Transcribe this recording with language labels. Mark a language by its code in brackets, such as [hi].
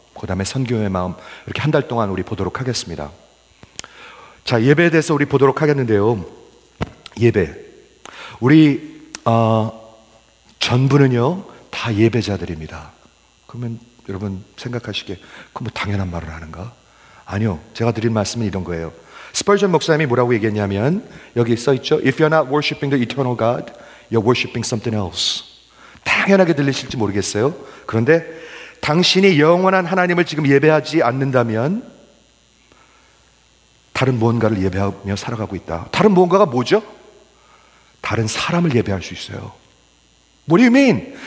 [ko] 그 다음에 선교의 마음, 이렇게 한 달 동안 우리 보도록 하겠습니다. 자, 예배에 대해서 우리 보도록 하겠는데요. 예배, 우리 전부는요 다 예배자들입니다. 그러면 여러분 생각하시게, 그 뭐 당연한 말을 하는가? 아니요, 제가 드린 말씀은 이런 거예요. 스펄전 목사님이 뭐라고 얘기했냐면, 여기 써있죠, [en] If you're not worshiping the eternal God, you're worshiping something else. [ko] 당연하게 들리실지 모르겠어요. 그런데 당신이 영원한 하나님을 지금 예배하지 않는다면 다른 무언가를 예배하며 살아가고 있다. 다른 무언가가 뭐죠? 다른 사람을 예배할 수 있어요. [en] What do you mean?